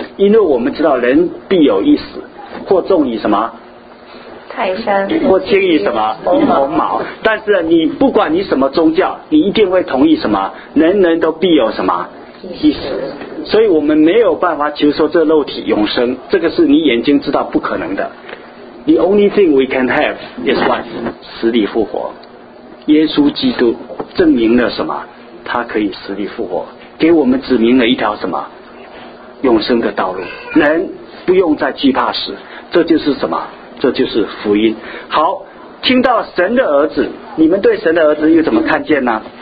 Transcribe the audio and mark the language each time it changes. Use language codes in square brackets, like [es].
[zh] 因为我们知道人必有一死，或重以什么泰山，或轻以什么鸿毛。但是你不管你什么宗教，你一定会同意什么？人人都必有什么一死。所以我们没有办法求说这肉体永生，这个是你眼睛知道不可能的。 [en] The only thing we can have is what？ [zh] 死里复活。耶稣基督证明了什么？他可以死里复活，给我们指明了一条什么永生的道路，人不用再惧怕死，这就是什么？这就是福音。好，听到神的儿子，你们对神的儿子又怎么看见呢？